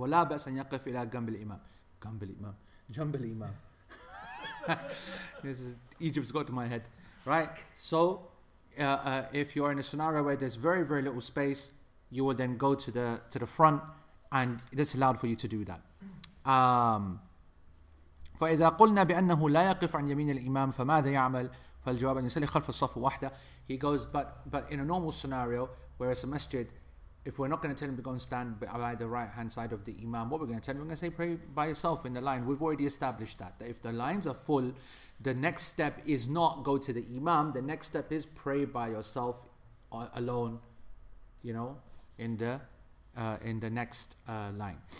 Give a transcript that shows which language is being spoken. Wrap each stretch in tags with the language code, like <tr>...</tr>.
<ar>وَلَا بَأْسَ أَنْ يَقَفْ إِلَىٰ جَنْبِ الْإِمَامِ. جَنْبِ الْإِمَامِ. جَنْبِ الْإِمَامِ.</ar> <en>This is Egypt's got to my head. Right? So, if you're in a scenario where there's very, very little space, you will then go to the front, and it's allowed for you to do that.</en> <ar>فإذا قلنا بأنه لا يقف عن يمين الإمام فماذا يعمل؟ فالجواب أن يصلي خلف الصف واحدة.</ar> <en>He goes, but in a normal scenario where it's a masjid, if we're not going to tell him to go and stand by the right hand side of the imam, what we're going to tell him, we're going to say pray by yourself in the line. We've already established that if the lines are full, the next step is not go to the imam. The next step is pray by yourself alone, in the next line.</en>